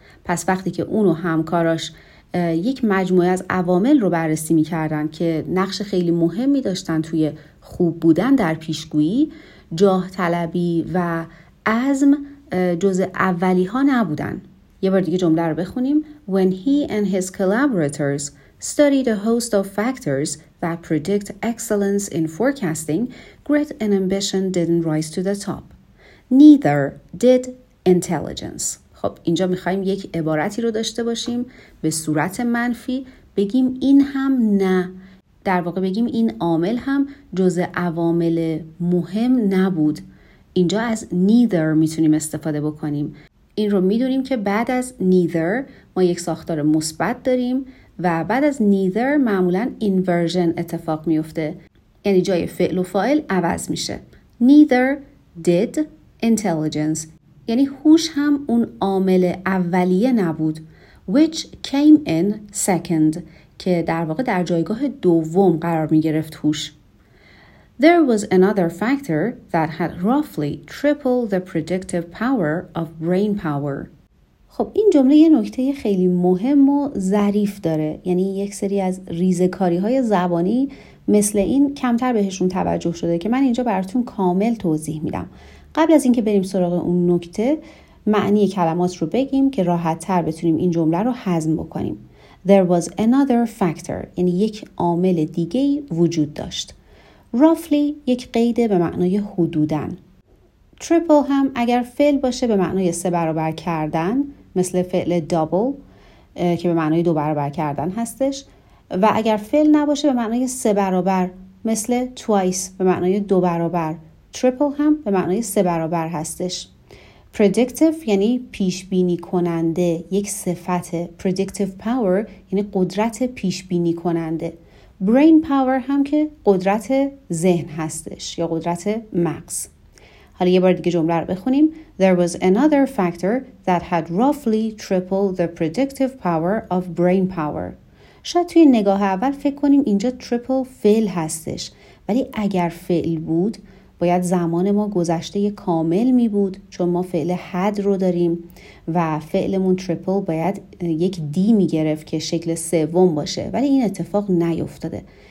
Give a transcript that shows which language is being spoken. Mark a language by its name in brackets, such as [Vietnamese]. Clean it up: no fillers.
[Persian] پس وقتی که اون و همکاراش یک مجموعه از عوامل رو بررسی می‌کردن که نقش خیلی مهمی داشتن توی خوب بودن در پیشگویی، جاه طلبی و عزم جز اولی‌ها نبودن. یه بار دیگه جمله رو بخونیم. [English] When he and his collaborators studied a host of factors that predict excellence in forecasting, grit and ambition didn't rise to the top. Neither did intelligence. [Persian] خب اینجا میخواییم یک عبارتی رو داشته باشیم به صورت منفی، بگیم این هم نه. در واقع بگیم این عامل هم جز عوامل مهم نبود. اینجا از neither میتونیم استفاده بکنیم. این رو میدونیم که بعد از neither ما یک ساختار مثبت داریم و بعد از neither معمولاً inversion اتفاق میفته. یعنی جای فعل و فاعل عوض میشه. [English] Neither did intelligence. [Persian] یعنی هوش هم اون عامل اولیه نبود. [English] Which came in second. [Persian] که در واقع در جایگاه دوم قرار می گرفت هوش. [English] There was another factor that had roughly triple the predictive power of brain power. [Persian] خب این جمله یه نکته خیلی مهم و ظریف داره. یعنی یک سری از ریزکاری های زبانی مثل این کمتر بهشون توجه شده که من اینجا براتون کامل توضیح میدم. قبل از اینکه بریم سراغ اون نکته، معنی کلمات رو بگیم که راحت تر بتونیم این جمله رو هضم بکنیم. [English] There was another factor، [Persian] یعنی یک عامل دیگه وجود داشت. Roughly یک قید به معنای حدوداً. Triple هم اگر فعل باشه به معنای سه برابر کردن، مثل فعل double که به معنای دو برابر کردن هستش، و اگر فعل نباشه به معنای سه برابر، مثل twice به معنای دو برابر. Triple هم به معنای سه برابر هستش. Predictive یعنی پیشبینی کننده، یک صفت. Predictive power یعنی قدرت پیشبینی کننده. Brain power هم که قدرت ذهن هستش یا قدرت مغز. حالا یه بار دیگه جمله رو بخونیم. [English] There was another factor that had roughly triple the predictive power of brain power. [Persian] شاید توی نگاه اول فکر کنیم اینجا triple فعل هستش، ولی اگر فعل بود باید زمان ما گذشته کامل می بود، چون ما فعل had رو داریم و فعلمون triple باید یک دی می گرفت که شکل سوم باشه، ولی این اتفاق نیفتاده.